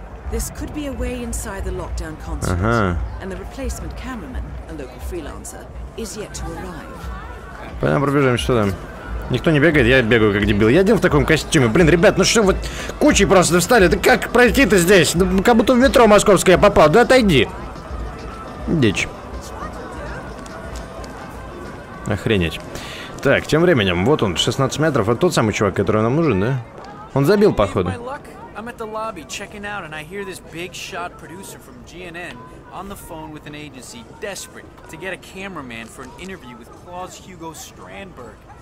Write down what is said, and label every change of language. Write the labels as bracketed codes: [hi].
[en] This could be a way inside the lockdown concert, and the replacement cameraman, a local freelancer, is yet to arrive. [ru] Пойдем пробежим, что там? Никто не бегает, я бегаю как дебил. Я один в таком костюме. Блин, ребят, ну что вы кучей просто встали? Да как пройти-то здесь? Да, как будто в метро московское я попал. Да отойди. Дичь. Охренеть. Так, тем временем, вот он, 16 метров. Это тот самый чувак, который нам нужен, да? Он забил, походу. [en] I'm at the lobby checking out, and I hear this big shot producer from GNN on the phone with an agency desperate to get a cameraman for an interview with Klaus Hugo Strandberg.